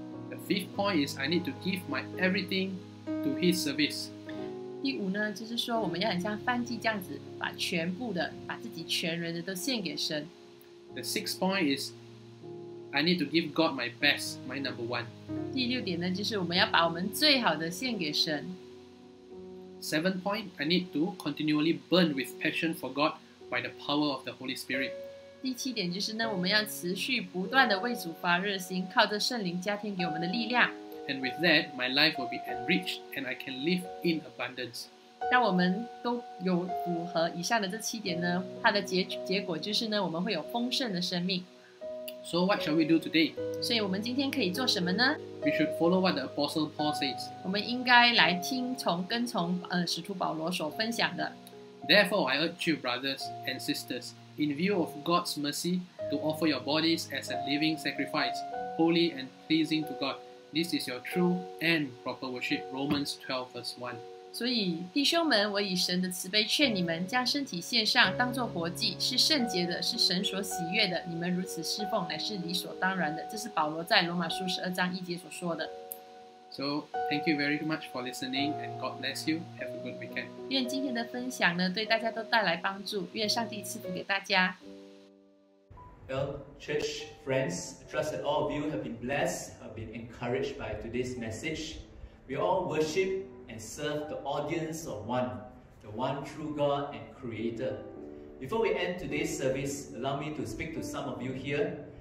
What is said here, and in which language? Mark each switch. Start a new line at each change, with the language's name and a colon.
English: The fifth point is I need to give my everything to His service.
Chinese: 第五呢，就是说我们要很像燔祭这样子，把全部的，把自己全人的都献给神。
English: The sixth point is I need to give God my best, my number one.
Chinese: 第六点呢，就是我们要把我们最好的献给神。
English: Seventh point, I need to continually burn with passion for God by the power of the Holy Spirit.
Chinese: 第七点就是呢，我们要持续不断的为主发热心，靠着圣灵加添给我们的力量。
English: And with that, my life will be enriched, and I can live in abundance.
Chinese: 当我们都有符合以上的这七点呢，它的 结果就是呢，我们会有丰盛的生命。
English: So what shall we do today?
Chinese: 所以我们今天可以做什么呢？
English: We should follow what the Apostle Paul says.
Chinese: 我们应该来听从跟从使徒保罗所分享的。
English: Therefore, I urge you, brothers and sisters, in view of God's mercy, to offer your bodies as a living sacrifice, holy and pleasing to God. This is your true and proper worship. Romans 12 verse 1.
Chinese: 所以弟兄们，我以神的慈悲劝你们，将身体献上，当作活祭，是圣洁的，是神所喜悦的。你们如此侍奉，乃是理所当然的。这是保罗在罗马书十二章一节所说的。
English: So thank you very much for listening, and God bless you. Have a good weekend.
Chinese: 愿今天的分享呢，对大家都带来帮助。愿上帝赐福给大家。
English: Well, church friends, I trust that all of you have been blessed, have been encouraged by today's message. We all worship and serve the audience of one, the one true God and Creator. Before we end today's service, allow me to speak to some of you here.